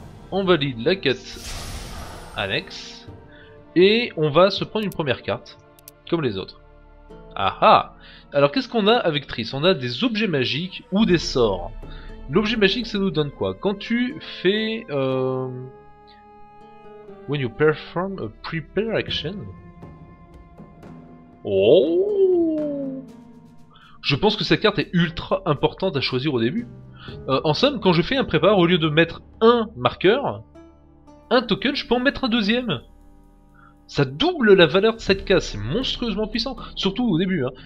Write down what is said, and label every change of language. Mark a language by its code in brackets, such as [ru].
[fr] On valide la quête annexe. Et on va se prendre une première carte, comme les autres. Ah ah! Alors qu'est-ce qu'on a avec Triss? On a des objets magiques ou des sorts. L'objet magique, ça nous donne quoi? Quand tu fais... [en] When you perform a prepare action. Oh! [fr] Je pense que cette carte est ultra importante à choisir au début. En somme, quand je fais un prépare, au lieu de mettre un marqueur, un token, je peux en mettre un deuxième. Ça double la valeur de cette case, c'est monstrueusement puissant, surtout au début, hein.